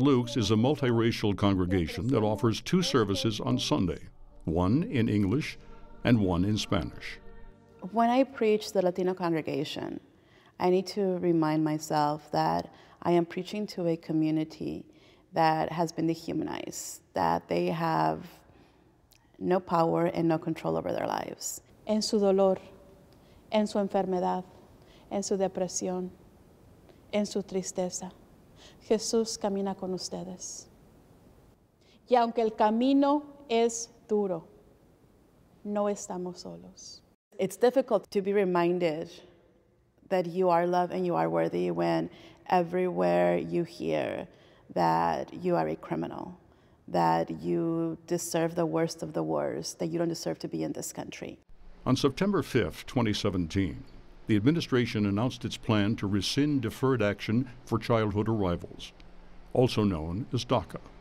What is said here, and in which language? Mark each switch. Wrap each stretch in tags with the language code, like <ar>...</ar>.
<en>Luke's is a multiracial congregation that offers two services on Sunday, one in English and one in Spanish. When I preach the Latino congregation, I need to remind myself that I am preaching to a community that has been dehumanized, that they have no power and no control over their lives.</en> <es>En su dolor, en su enfermedad, en su depresión, en su tristeza, Jesús camina con ustedes. Y aunque el camino es duro, no estamos solos.</es> <en>It's difficult to be reminded that you are loved and you are worthy when everywhere you hear that you are a criminal, that you deserve the worst of the worst, that you don't deserve to be in this country. On September 5th, 2017, the administration announced its plan to rescind Deferred Action for Childhood Arrivals, also known as DACA.</en>